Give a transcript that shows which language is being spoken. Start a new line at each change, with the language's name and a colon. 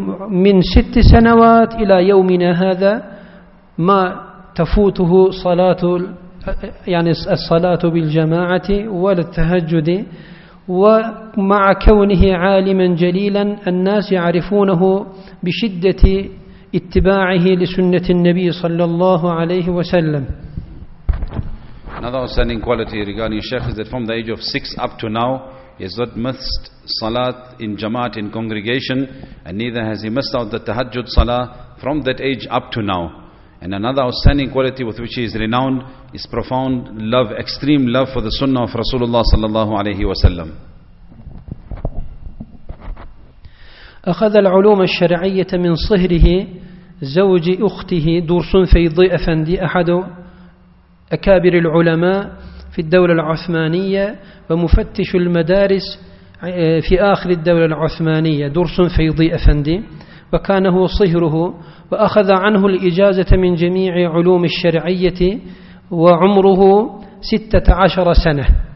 Arabic: من 6 سنوات إلى يومنا هذا ما تفوته صلاة يعني الصلاة بالجماعة ولا التهجد. ومع كونه عالما جليلا الناس يعرفونه بشدة اتباعه لسنة النبي صلى الله عليه وسلم.
English: Another outstanding quality regarding Shaykh is that from the age of 6 up to now, he has not missed salat in jamaat, in congregation, and neither has he missed out the tahajjud salah from that age up to now. And another outstanding quality with which he is renowned is profound love, extreme love for the sunnah of Rasulullah sallallahu alayhi wa sallam.
Arabic: أخذ العلوم الشرعية من صهره زوج أخته دورسون فيضي أفندي أحد أكابر العلماء في الدولة العثمانية ومفتش المدارس في آخر الدولة العثمانية دورسون فيضي أفندي وكان هو صهره وأخذ عنه الإجازة من جميع علوم الشرعية وعمره 16 سنة.